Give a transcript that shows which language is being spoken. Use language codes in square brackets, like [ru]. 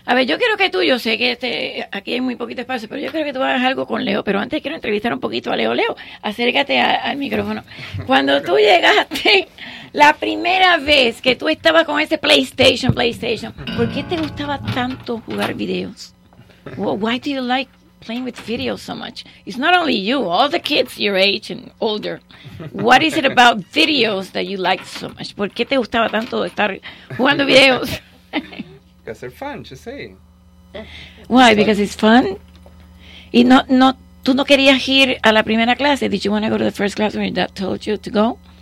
[es] A ver, yo quiero que tú, yo sé que aquí hay muy poquito espacio, pero yo creo que tú hagas algo con Leo. Pero antes quiero entrevistar un poquito a Leo. Leo, acércate al micrófono. Cuando tú llegaste, la primera vez que tú estabas con ese PlayStation, ¿por qué te gustaba tanto jugar videos? [en] Why do you like playing with video so much? It's not only you, all the kids your age and older. What is it about videos that you like so much? [es] ¿Por qué te gustaba tanto estar jugando videos? [en] Because they're fun, just say. Why? It's because fun. It's fun? [es] Y no, ¿tú no querías ir a la primera clase? [en] Did you want to go to the first class when your dad told you to go?